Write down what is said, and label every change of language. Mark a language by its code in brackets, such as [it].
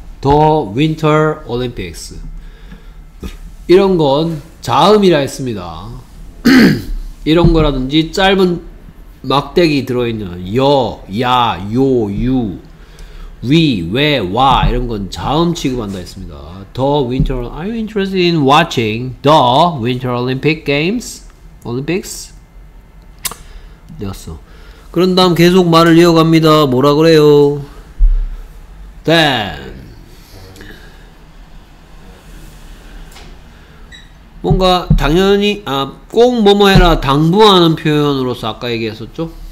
[en] 더 윈터 올림픽스. [ko] 이런 건 자음이라 했습니다. 이런 거라든지 짧은 막대기 들어있는 여, 야, 요, 유, 위, 왜, 와 이런 건 자음 취급한다 했습니다. [en] The Winter Are you interested in watching the Winter Olympic Games? [ko] Olympics? 되었어. 그런 다음 계속 말을 이어갑니다. 뭐라 그래요? Then 뭔가 당연히 꼭 뭐뭐 해라 당부하는 표현으로서 아까 얘기했었죠?